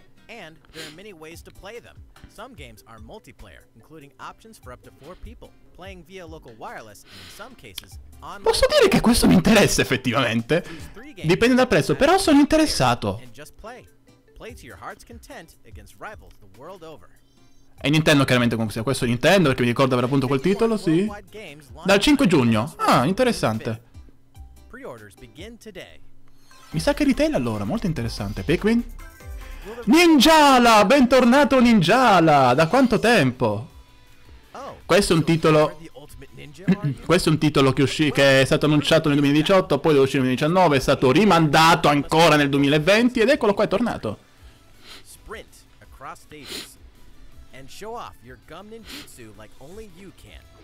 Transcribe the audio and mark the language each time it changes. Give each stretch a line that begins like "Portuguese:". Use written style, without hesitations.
English: And there are many ways to play them. Some games are multiplayer, including options for up to 4 people, playing via local wireless and in some cases online.
Italian: Posso dire che questo mi interessa effettivamente? Dipende dal prezzo, però sono interessato.
English: Play to your heart's content against rivals the world over.
Italian: È Nintendo chiaramente, comunque sia, questo è Nintendo, perché mi ricordo avere appunto quel titolo, sì. Dal 5 giugno. Ah, interessante.
English: Pre-orders begin today.
Italian: Mi sa che retail allora, molto interessante. Pikmin? Ninjala! Bentornato Ninjala! Da quanto tempo? Questo è un titolo. Questo è un titolo che è stato annunciato nel 2018, poi deve uscire nel 2019, è stato rimandato ancora nel 2020 ed eccolo qua, è tornato.
English: Sprint across stages and show off your gum ninjutsu like only you can.